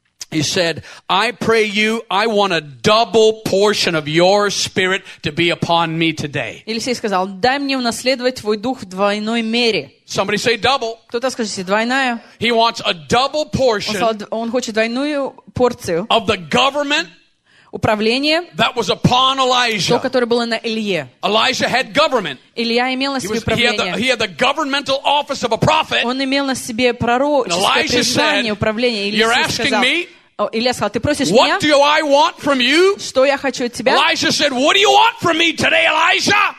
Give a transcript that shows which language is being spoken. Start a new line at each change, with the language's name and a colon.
English: He said, I pray you, I want a double portion of your spirit to be upon me today.
Russian: Елисей сказал: "Дай мне унаследовать твой дух в двойной мере."
English: Somebody say double.
Russian: Кто-то скажите двойная.
English: He wants a double portion.
Russian: Он хочет двойную порцию.
English: Of the government.
Russian: Управление.
English: That was upon Elijah.
Russian: То, которое было на Илье.
English: Elijah had government.
Russian: Илья имел на себе управление.
English: He had the governmental office of a prophet.
Russian: Он имел на себе пророческое признание, управление.
English: You're asking me?
Russian: Илья сказал, ты просишь
English: what
Russian: меня?
English: Do I want from you?
Russian: Что я хочу от тебя?
English: Elijah said, what do you want from me today, Elijah?